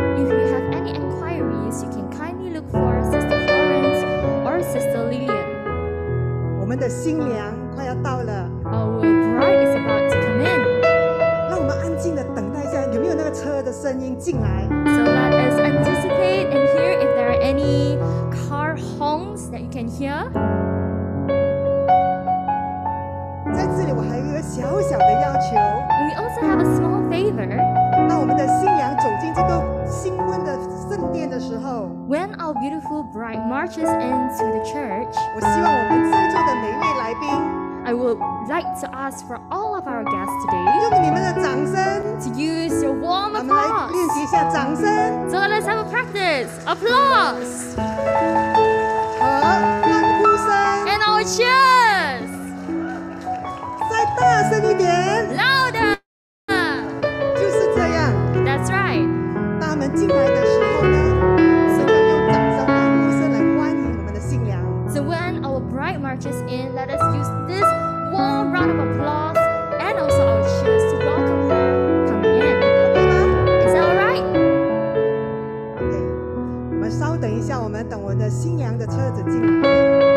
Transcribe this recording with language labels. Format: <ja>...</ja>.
<en>If you have any inquiries, you can kindly look for Sister Florence or Sister Lillian.</en> <zh>我们的新娘快要到了。</zh> <en>Our bride is about to come in.</en> <zh>让我们安静的等待一下，有没有那个车的声音进来</zh> <en>？So let us anticipate and hear if there are any car honks that you can hear.</en> <zh>小小的要求。</zh> <en>We also have a small favor.</en> <zh>当我们的新娘走进这个新婚的圣殿的时候</zh> <en>，When our beautiful bride marches into the church，</en> <zh>我希望我们在座的每一位来宾</zh> <en>，I would like to ask for all of our guests today，</en> <zh>用你们的掌声</zh> <en>，to use your warm applause，</en> <zh>我们来练习一下掌声。</zh> <en>So let's have a practice. Applause.</en> <zh>和欢呼声</zh> <en>，and our cheers.</en> <zh>大声一点</zh> <en>，louder！</en> <zh>就是这样</zh> <en>，That's right。</en> <zh>当我们进来的时候呢，是不是用掌声、欢呼声来欢迎我们的新娘</zh> <en>？So when our bride marches in, let us use this warm round of applause and also our cheers to welcome her coming in.</en> <zh>Okay 吗</zh> <en>？Is that all right? Okay.</en> <zh>我们稍等一下，我们等我们的新娘的车子进来。</zh>